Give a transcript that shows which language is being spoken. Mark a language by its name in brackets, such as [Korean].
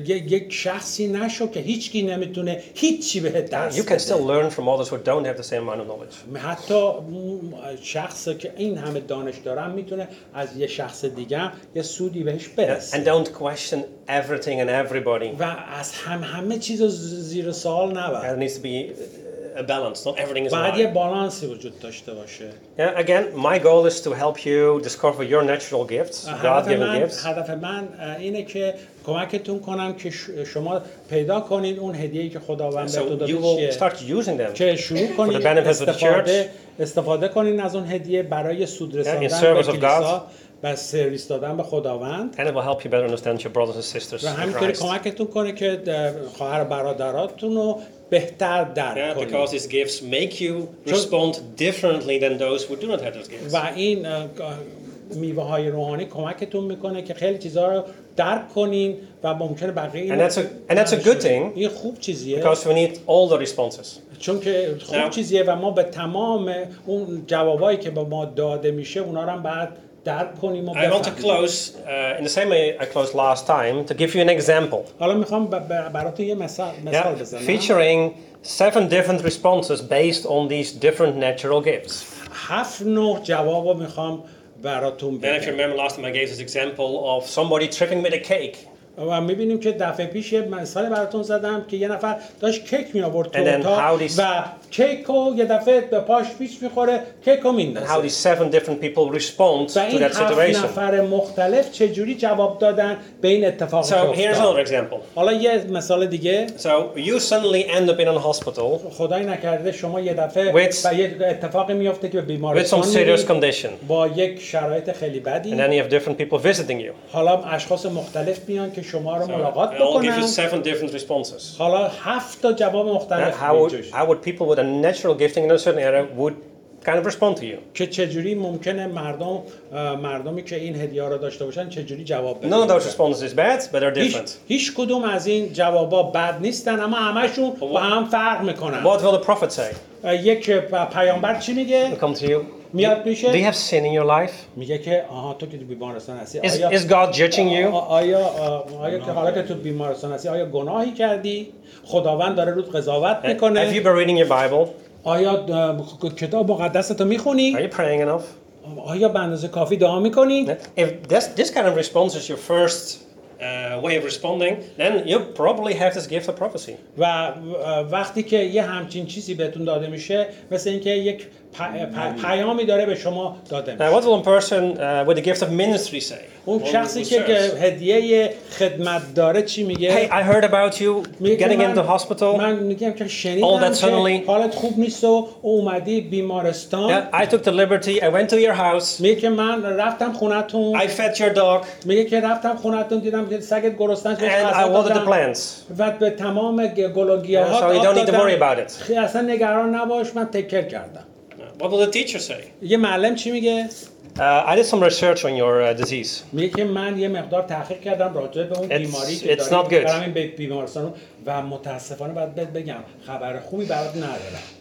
[Persian] یک شخصی نشو که هیچکی نمیتونه هیچی بهت درس بده. [English] You can still learn from others who don't have the same amount of knowledge. [Persian] حتی شخصی که این همه دانش داره میتونه از یه شخص دیگه یه سودی بهش برسه. [English] And don't question everything and everybody. [Persian] و از همه چیز زیر سوال نبره. [English] There needs to be a balance, not everything is right. [Persian] باید یه بالانسی وجود داشته باشه. [English] Yeah, again, my goal is to help you discover your natural gifts, God-given gifts. [Persian] هدف من اینه که کمکتون کنم که شما پیدا کنین اون هدیه‌ای که خداوند بهتون داده. [English] So you will start using them. [Persian] که شروع کنین [English] for the benefit of the church. [Persian] استفاده کنین از اون هدیه برای سود رساندن [English] in service of God. [Persian] و سرویس دادن به خداوند. [English] And it will help you better understand your brothers and sisters. [Persian] و همینطوری کمکتون کنه که خواهر برادراتون رو بهتر درک کنید. [English] Yeah, because these gifts make you respond differently than those who do not have those gifts. [Persian] و این میوه های روحانی کمکتون میکنه که خیلی چیزها رو درک کنین و ممکنه بقیه اینو. [English] And that's a good thing. [Persian] این خوب چیزیه. [English] Because we need all the responses. [Persian] چون که خوب چیزیه و ما به تمام اون جوابایی که به ما داده میشه اونا رو هم بعد درک کنیم و بفهمیم. [English] I want to close in the same way I closed last time to give you an example. [Persian] حالا میخوام برات یه مثال بزنم. [English] Featuring 7 different responses based on these different natural gifts. [Persian] 7 جواب میخوام براتون بگم. [English] And if you remember last time I gave this example of somebody tripping with a cake. [Persian] و میبینیم که دفعه پیش یه مثال براتون زدم که یه نفر داشت کیک میآورد تو اتاق و کیک رو یه دفعه به پاش پیچ میخوره کیک رو میندازه. [English] How these 7 different people respond to that situation. [Persian] و این 7 نفر مختلف چجوری جواب دادن به این اتفاق. [English] So here's another example. [Persian] حالا یه مثال دیگه. [English] So you suddenly end up in a hospital. [Persian] خدای نکرده شما یه دفعه با یه اتفاقی میفته که به بیمارستان [English] with some serious condition. [Persian] با یک شرایط خیلی بدی. [English] And then you have different people visiting you. [Persian] حالا اشخاص مختلف میان که شما رو ملاقات بکنن. [English] I'll give you 7 different responses. [Persian] حالا 7 تا جواب مختلف. [English] How would people with a natural gifting in a certain area would kind of respond to you? [Persian] که چجوری ممکنه مردمی که این هدیه رو داشته باشن چجوری جواب بدن؟ [English] None of those responses is bad, but they're different. [Persian] هیچ کدوم از این جوابا بد نیستن اما همشون با هم فرق میکنن. [English] What will the prophet say? [Persian] یک پیامبر چی میگه؟ [English] Come to you. [Persian] میاد میشه. [English] Do you have sin in your life? [Persian] میگه که آها تو که بیمارستان هستی. [English] Is God judging you? [Persian] آیا که تو بیمارستان هستی آیا گناهی کردی؟ خداوند داره روت قضاوت میکنه. [English] Have you been reading your Bible? [Persian] آیا کتاب مقدست رو میخونی؟ [English] Are you praying enough? [Persian] آیا به اندازه کافی دعا میکنی؟ [English] If this kind of response is your first way of responding, then you probably have this gift of prophecy. [Persian] و وقتی که یه همچین چیزی بهتون داده میشه مثل اینکه یک پیامی داره به شما داده میشه. [English] Now what will a person with the gift of ministry say? [Persian] اون شخصی که هدیه خدمت داره چی میگه؟ [English] Hey, I heard about you getting into hospital. [Persian] من میگم که شنیدم که حالت خوب نیست و اومدی بیمارستان. [English] I took the liberty. I went to your house. [Persian] میگه که من رفتم خونتون. [English] I fed your dog. [Persian] میگه که رفتم خونتون دیدم که سگت گرسنه‌ست. [English] And I watered the plants. [Persian] و به تمام گلوگیاها آب دادم. [English] So you don't need to worry about it. [Persian] خیلی اصلا نگران نباش من تکر کردم. [English] What will the teacher say? [Persian] یه معلم چی میگه؟ [English] I did some research on your disease. [Persian] میگه که من یه مقدار تحقیق کردم راجع به اون بیماری که داری. [English] It's not good. [Persian] برای این بیمارستان و متاسفانه باید بهت بگم خبر خوبی برات ندارم.